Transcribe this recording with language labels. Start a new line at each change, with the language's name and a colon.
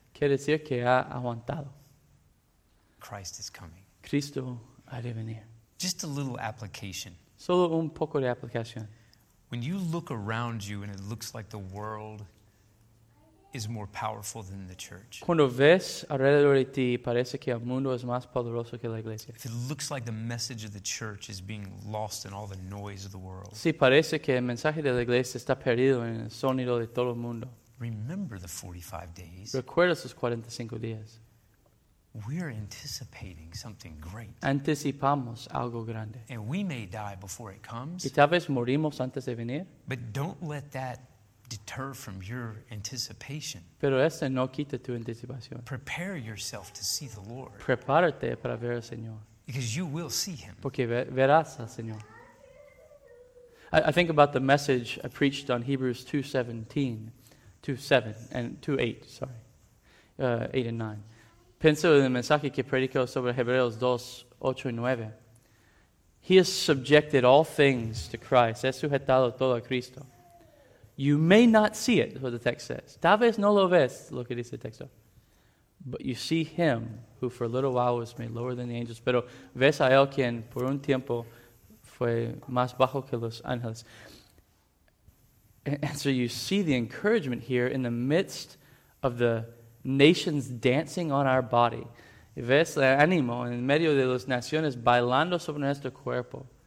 Spanish: Quiere decir que ha aguantado.
English: Christ is coming.
Spanish: Cristo ha de venir.
English: Just a little application.
Spanish: Solo un poco de aplicación.
English: When you look around you and it looks like the world is more powerful than the church.
Spanish: Cuando ves alrededor de ti, parece que el mundo es más poderoso que la iglesia.
English: If it looks like the message of the church is being lost in all the noise of the world.
Spanish: Sí, parece que el mensaje de la iglesia está perdido en el sonido de todo el mundo.
English: Remember the 45 days.
Spanish: Recuerda esos 45 días.
English: We're anticipating something great.
Spanish: Anticipamos algo grande.
English: And we may die before it comes.
Spanish: Y tal vez morimos antes de venir.
English: But don't let that deter from your anticipation.
Spanish: Pero eso no quita tu anticipación.
English: Prepare yourself to see the Lord.
Spanish: Prepárate para ver al Señor.
English: Because you will see him.
Spanish: Porque verás al Señor.
English: I think about the message I preached on Hebrews 2:17, 2:7 and 2:8, sorry. 8 and 9.
Spanish: Pienso en el mensaje que predicó sobre Hebreos 2:8-9.
English: He has subjected all things to Christ.
Spanish: Es sujetado todo a Cristo.
English: You may not see it, what the text says.
Spanish: Tal vez no lo ves, lo que dice el texto.
English: But you see him who for a little while was made lower than the angels.
Spanish: Pero ves a él quien por un tiempo fue más bajo que los ángeles.
English: And so you see the encouragement here in the midst of the nations dancing on our body.
Spanish: Ves el ánimo en medio de las naciones bailando sobre nuestro cuerpo.